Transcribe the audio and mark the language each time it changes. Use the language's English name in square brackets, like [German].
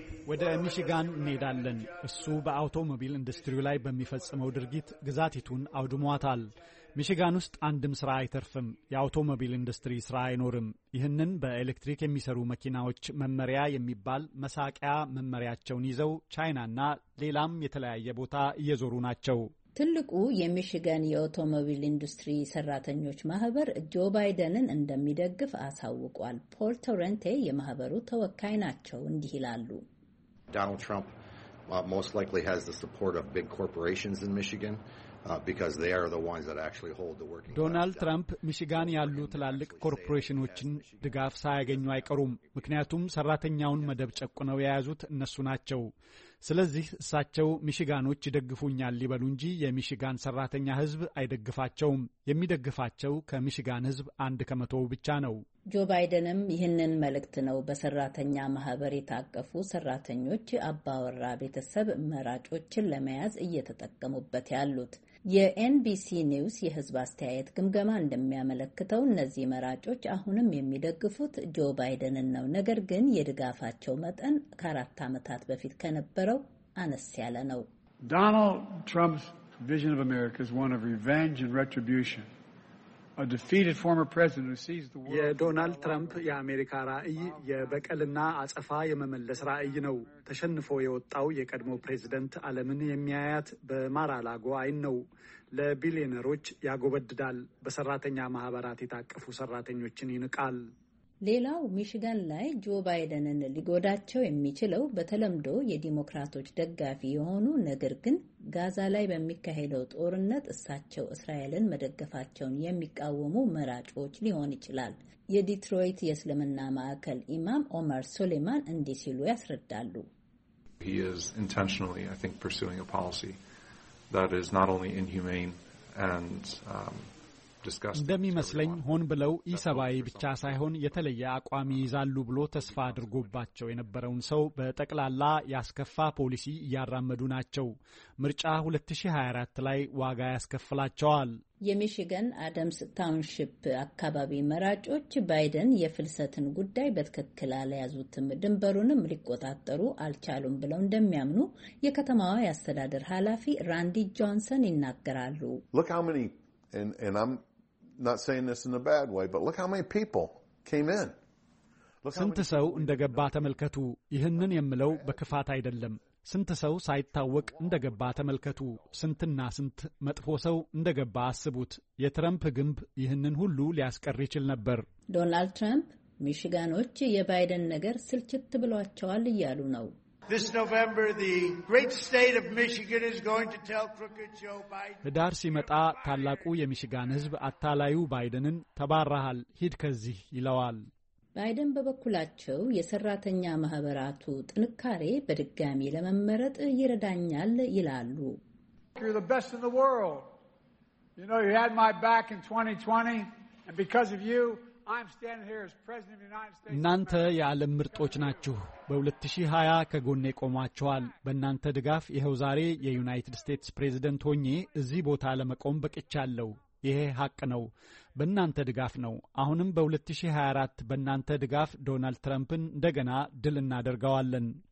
[Amharic] ወደ ሚሽጋን እንሄዳለን። እሱ በአውቶሞቢል ኢንዱስትሪው ላይ በሚፈጽመው ድርጊት ግዛቲቱን አውድሟታል። ሚሽጋን ውስጥ አንድም ሥራ አይተርፍም። የአውቶሞቢል ኢንዱስትሪ ሥራ አይኖርም። ይህንን በኤሌክትሪክ የሚሰሩ መኪናዎች መመሪያ የሚባል መሳቂያ መመሪያቸውን ይዘው ቻይናና ሌላም የተለያየ ቦታ እየዞሩ ናቸው። ትልቁ የሚሽጋን የአውቶሞቢል ኢንዱስትሪ ሰራተኞች ማህበር ጆ ባይደንን እንደሚደግፍ አሳውቋል። ፖል ቶረንቴ የማህበሩ ተወካይ ናቸው፣ እንዲህ ይላሉ። [English] ዶናልድ ትራምፕ most likely has the support of big corporations in Michigan because they are the ones that actually hold the working class. [Amharic] ዶናልድ ትራምፕ ሚሽጋን ያሉ ትላልቅ ኮርፖሬሽኖችን ድጋፍ ሳያገኙ አይቀሩም፣ ምክንያቱም ሰራተኛውን መደብ ጨቁነው የያዙት እነሱ ናቸው። ስለዚህ እሳቸው ሚሽጋኖች ይደግፉኛል ሊበሉ እንጂ የሚሽጋን ሰራተኛ ህዝብ አይደግፋቸውም። የሚደግፋቸው ከሚሽጋን ህዝብ 1% ብቻ ነው። ጆ ባይደንም ይህንን መልእክት ነው በሰራተኛ ማህበር የታቀፉ ሰራተኞች አባወራ ቤተሰብ መራጮችን ለመያዝ እየተጠቀሙበት ያሉት። የኤንቢሲ ኒውስ የህዝብ አስተያየት ግምገማ እንደሚያመለክተው እነዚህ መራጮች አሁንም የሚደግፉት ጆ ባይደንን ነው። ነገር ግን የድጋፋቸው መጠን ከአራት ዓመታት በፊት ከነበረው አነስ ያለ ነው። [English] ዶናልድ ትራምፕ's vision of America is one of revenge and retribution. A defeated former president who sees the world. [Amharic] የዶናልድ ትራምፕ የአሜሪካ ራዕይ የበቀልና አጸፋ የመመለስ ራዕይ ነው። ተሸንፎ የወጣው የቀድሞ ፕሬዝዳንት ዓለምን የሚያያት በማራላጎ አይን ነው። ለቢሊየነሮች ያጎበድዳል። በሰራተኛ ማህበራት የታቀፉ ሰራተኞችን ይንቃል። ሌላው ሚሽጋን ላይ ጆ ባይደንን ሊጎዳቸው የሚችለው በተለምዶ የዲሞክራቶች ደጋፊ የሆኑ ነገር ግን ጋዛ ላይ በሚካሄደው ጦርነት እሳቸው እስራኤልን መደገፋቸውን የሚቃወሙ መራጮች ሊሆን ይችላል። የዲትሮይት የእስልምና ማዕከል ኢማም ኦመር ሱሌማን እንዲህ ሲሉ ያስረዳሉ። [English] He is intentionally, I think, pursuing a policy that is not only inhumane and [Amharic] እንደሚመስለኝ ሆን ብለው ኢሰባይ ብቻ ሳይሆን የተለየ አቋም ይዛሉ ብሎ ተስፋ አድርጎባቸው የነበረውን ሰው በጠቅላላ ያስከፋ ፖሊሲ ያራመዱ ናቸው። ምርጫ 2024 ላይ ዋጋ ያስከፍላቸዋል። የሚሽጋን አደምስ ታውንሺፕ አካባቢ መራጮች ባይደን የፍልሰትን ጉዳይ በትክክል አልያዙትም፣ ድንበሩንም ሊቆጣጠሩ አልቻሉም ብለው እንደሚያምኑ የከተማዋ የአስተዳደር ኃላፊ ራንዲ ጆንሰን ይናገራሉ። [English] And I'm not saying this in a bad way, but look how many people came in. [Amharic] ስንት ሰው እንደገባ ተመልከቱ። ይህንን የምለው በክፋት አይደለም። ስንት ሰው ሳይታወቅ እንደገባ ተመልከቱ። ስንትና ስንት መጥፎ ሰው እንደገባ አስቡት። የትራምፕ ግንብ ይህንን ሁሉ ሊያስቀር ይችል ነበር። ዶናልድ ትራምፕ ሚሽጋኖች የባይደን ነገር ስልችት ብሏቸዋል እያሉ ነው። [English] This November the great state of Michigan is going to tell crooked Joe Biden. [Amharic] ዳር ሲመጣ ታላቁ የሚሽጋን ህዝብ አታላዩ ባይደንን ተባራሃል ሂድ ከዚህ ይለዋል። ባይደን በበኩላቸው የሰራተኛ ማህበራቱ ጥንካሬ በድጋሚ ለመመረጥ ይረዳኛል ይላሉ። [English] You're the best in the world. You know you had my back in 2020 and because of you I'm standing here as president of the United States. [Amharic] እናንተ የዓለም ምርጦች ናችሁ። በ2020 ከጎኔ ቆማችኋል። በእናንተ ድጋፍ ይሄው ዛሬ የዩናይትድ ስቴትስ ፕሬዝዳንት ሆኜ እዚህ ቦታ ለመቆም በቅቻለሁ። ይሄ ሐቅ ነው። በእናንተ ድጋፍ ነው። አሁንም በ2024 በእናንተ ድጋፍ ዶናልድ ትራምፕን እንደገና ድል እናደርጋለን።